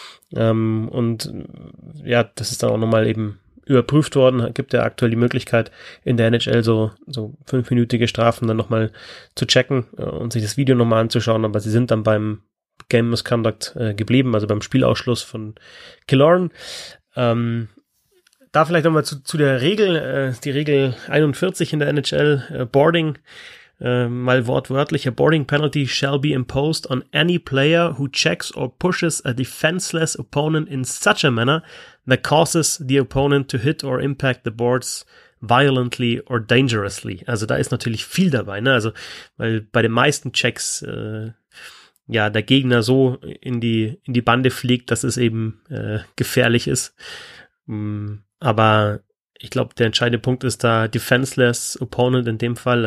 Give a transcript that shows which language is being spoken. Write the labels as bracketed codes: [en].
[de] Und ja, das ist dann auch nochmal eben überprüft worden, gibt ja aktuell die Möglichkeit in der NHL so 5-minütige Strafen dann nochmal zu checken und sich das Video nochmal anzuschauen, aber sie sind dann beim Game Misconduct geblieben, also beim Spielausschluss von Killorn. Da vielleicht nochmal zu der Regel, die Regel 41 in der NHL, Boarding. Mal wortwörtlich, [en] a boarding penalty shall be imposed on any player who checks or pushes a defenseless opponent in such a manner that causes the opponent to hit or impact the boards violently or dangerously. [de] Also da ist natürlich viel dabei, ne? Also weil bei den meisten Checks ja der Gegner so in die Bande fliegt, dass es eben gefährlich ist. Aber Ich glaube, der entscheidende Punkt ist da [en] defenseless opponent [de] in dem Fall.